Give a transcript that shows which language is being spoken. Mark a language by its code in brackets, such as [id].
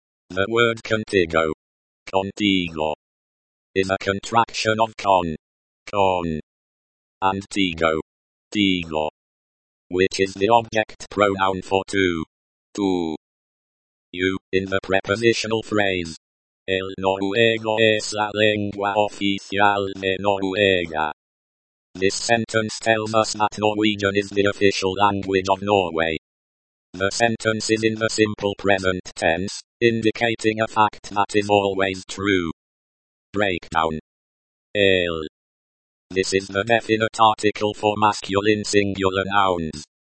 [en] The word contigo, contigo, is a contraction of con, and tigo, tigo, which is the object pronoun for tú, you, in the prepositional phrase. [es] El noruego es la lengua oficial de Noruega. [en] This sentence tells us that Norwegian is the official language of Norway. The sentence is in the simple present tense, indicating a fact that is always true. Breakdown. El. This is the definite article for masculine singular nouns.